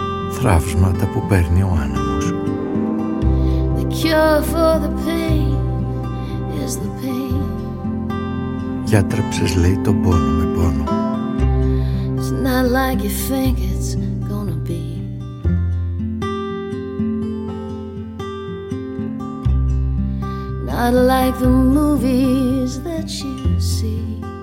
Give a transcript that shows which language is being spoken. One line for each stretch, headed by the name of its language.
Greek: Θραύσματα που παίρνει ο άνεμος.
English: The cure for the pain is the pain.
Greek: Γιατρέψες, λέει, τον πόνο με πόνο.
English: It's not like you think it's gonna be. Not like the movies that you see.